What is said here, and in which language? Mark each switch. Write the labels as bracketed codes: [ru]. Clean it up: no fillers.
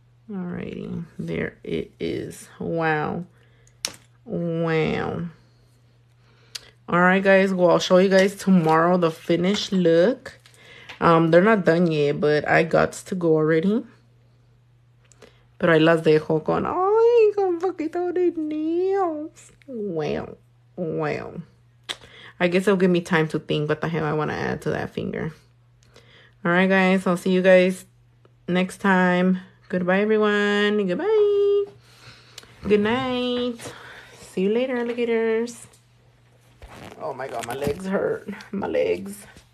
[en] Alrighty, there it is. Wow. Alright, guys, well, I'll show you guys tomorrow the finished look. They're not done yet, but I got to go already. [es] Pero ahí las dejo con, ay, con poquito de nails. [en] Well. I guess it'll give me time to think what the hell I want to add to that finger. All right, guys. I'll see you guys next time. Goodbye, everyone. Goodbye. Good night. See you later, alligators. Oh, my God. My legs hurt. My legs.